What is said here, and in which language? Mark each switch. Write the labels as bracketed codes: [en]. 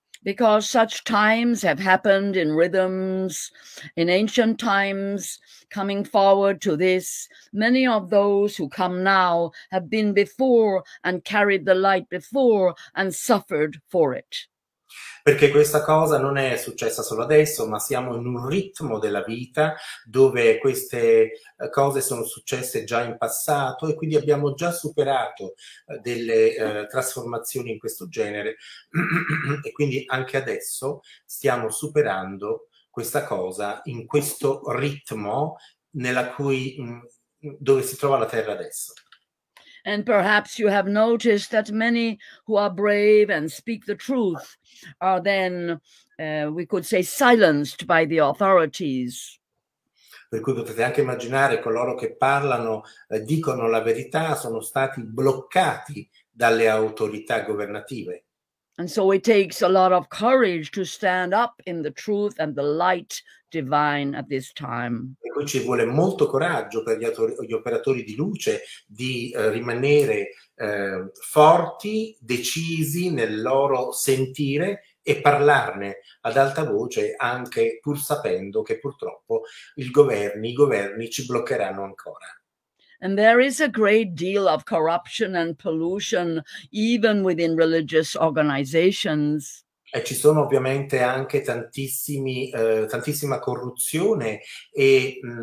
[en] Because such times have happened in rhythms, in ancient times, coming forward to this, many of those who come now have been before and carried the light before and suffered for it. [it] Perché questa cosa non è successa solo adesso, ma siamo in un ritmo della vita dove queste cose sono successe già in passato e quindi abbiamo già superato delle trasformazioni in questo genere. E quindi anche adesso stiamo superando questa cosa in questo ritmo dove si trova la Terra adesso. [en] And perhaps you have noticed that many who are brave and speak the truth are then, we could say, silenced by the authorities. [it] Per cui potete anche immaginare coloro che parlano, dicono la verità, sono stati bloccati dalle autorità governative. [en] And so it takes a lot of courage to stand up in the truth and the light divine at this time. [it] E qui ci vuole molto coraggio per gli operatori di luce di rimanere forti, decisi nel loro sentire. E parlarne ad alta voce anche pur sapendo che purtroppo i governi ci bloccheranno ancora. [en] And there is a great deal of corruption and pollution, even within religious organizations. [it] E ci sono ovviamente anche tantissima corruzione e